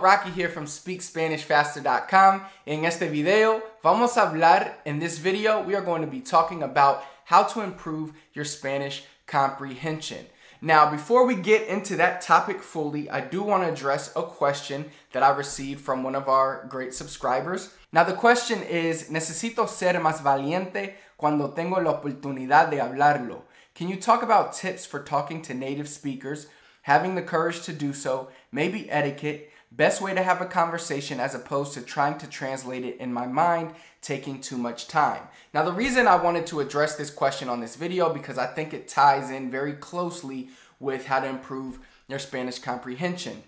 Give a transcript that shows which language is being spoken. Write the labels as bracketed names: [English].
[English] Rocky here from SpeakSpanishFaster.com. [Spanish] En este video, vamos a hablar. [English] In this video, we are going to be talking about how to improve your Spanish comprehension. Now, before we get into that topic fully, I do want to address a question that I received from one of our great subscribers. Now, the question is, [Spanish] ¿Necesito ser más valiente cuando tengo la oportunidad de hablarlo? [English] Can you talk about tips for talking to native speakers, having the courage to do so, maybe etiquette, best way to have a conversation as opposed to trying to translate it in my mind, taking too much time? Now, the reason I wanted to address this question on this video because I think it ties in very closely with how to improve your Spanish comprehension.